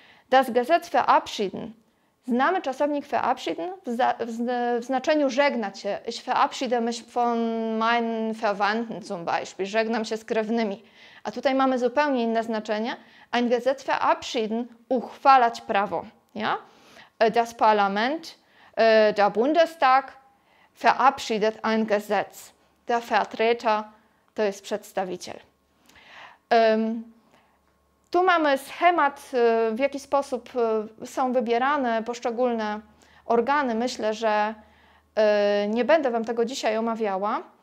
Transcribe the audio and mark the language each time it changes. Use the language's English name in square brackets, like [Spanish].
[German] das Gesetz verabschieden. [Polish] Znamy czasownik verabschieden w znaczeniu żegnać się. [German] Ich verabschiede mich von meinen Verwandten zum Beispiel. [Polish] Żegnam się z krewnymi. A tutaj mamy zupełnie inne znaczenie. [German] Ein Gesetz verabschieden, [Polish] uchwalać prawo. [German] Ja? Das Parlament, der Bundestag verabschiedet ein Gesetz. [Polish] Der Vertreter, to jest przedstawiciel. Tu mamy schemat, w jaki sposób są wybierane poszczególne organy. Myślę, że nie będę Wam tego dzisiaj omawiała.